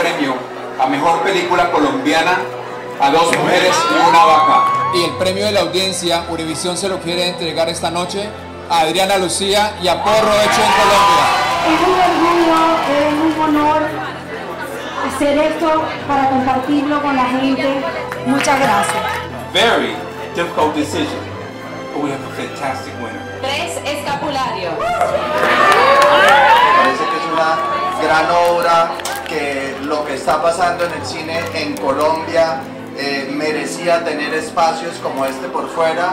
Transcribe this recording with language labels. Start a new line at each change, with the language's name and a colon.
Spanish: El premio a mejor película colombiana a dos mujeres y una vaca. Y el premio de la audiencia, Urivisión se lo quiere entregar esta noche a Adriana Lucía y a Porro Hecho en Colombia. Es un orgullo, es un honor hacer esto para compartirlo con la gente. Muchas gracias.
English: Very difficult decision, but we have a fantastic winner.
Spanish: Tres escapularios. Parece que es una gran obra, que lo que está pasando en el cine en Colombia merecía tener espacios como este por fuera.